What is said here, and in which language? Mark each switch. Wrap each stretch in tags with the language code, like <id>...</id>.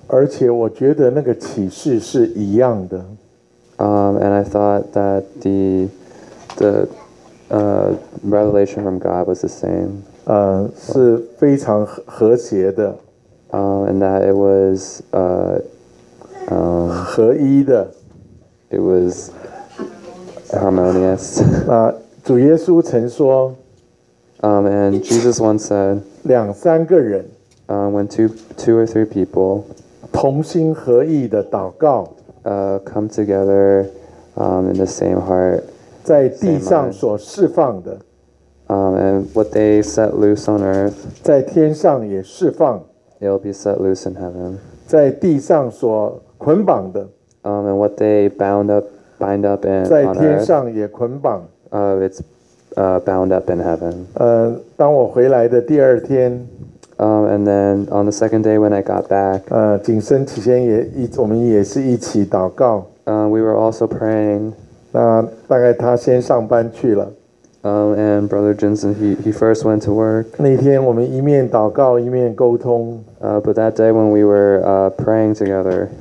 <zh>而且我觉得那个启示是一样的。</zh> <en>And I thought that the revelation from God was the same.</en> <zh>是非常和谐的。</zh> <en>And that it was</en> <zh>合一的。</zh> <en>It was harmonious.</en> <zh>主耶稣曾说。</zh> <en>And Jesus once said.</en> <zh>两三个人。</zh> <en>When two or three people,</en> <zh>同心合意的祷告</zh> <en>come together, in the same heart,</en> <zh>在地上所释放的</zh> <en>and what they set loose on earth,</en> <zh>在天上也释放</zh> <en>it'll be set loose in heaven,</en> <zh>在地上所捆绑的</zh> <en>and what they bind up in,</en> <zh>在天上也捆绑</zh> <en>it's bound up in heaven.</en> <zh>当我回来的第二天。</zh> <en>And then on the second day when I got back,</en> <zh>景深起先也一我们也是一起祷告。</zh> <en>We were also praying.</en> <zh>那大概他先上班去了。</zh> <en>And Brother Jensen he first went to work.</en> <zh>那天我们一面祷告一面沟通。</zh> <en>But that day when we were praying together,</en>